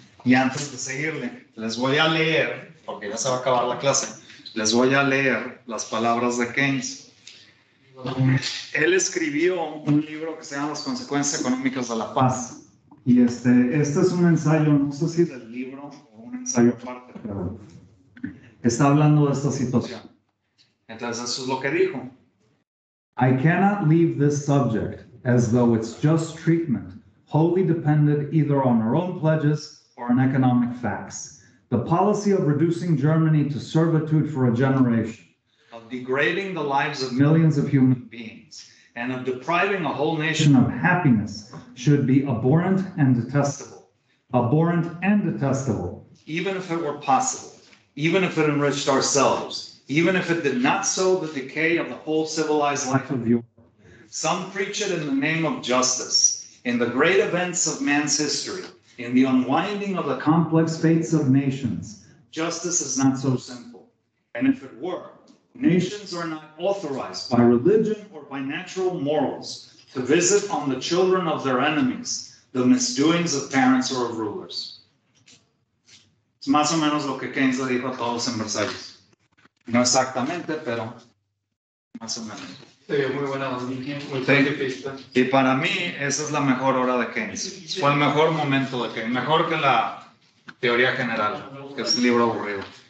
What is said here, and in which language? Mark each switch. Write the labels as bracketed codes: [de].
[es] Y antes de seguirle, les voy a leer, porque ya se va a acabar la clase, les voy a leer las palabras de Keynes. Él escribió un libro que se llama Las consecuencias económicas de la paz. Y este es un ensayo, no sé si del libro o un ensayo aparte, pero está hablando de esta situación. Entonces, eso es lo que dijo. [en] I cannot leave this subject as though it's just treatment. Wholly dependent either on our own pledges or on economic facts. The policy of reducing Germany to servitude for a generation, of degrading the lives of millions of human beings, and of depriving a whole nation of happiness should be abhorrent and detestable. Abhorrent and detestable. Even if it were possible, even if it enriched ourselves, even if it did not sow the decay of the whole civilized life of Europe. Some preach it in the name of justice. In the great events of man's history, in the unwinding of the complex fates of nations, justice is not so simple. And if it were, nations are not authorized by religion or by natural morals to visit on the children of their enemies the misdoings of parents or of rulers. [es] Es más o menos lo que Keynes le dijo a todos en Versalles. No exactamente, pero más o menos. Se vio muy buena, muy pista. Y para mí, esa es la mejor hora de Keynes. Fue el mejor momento de Keynes. Mejor que la teoría general, que es un libro aburrido.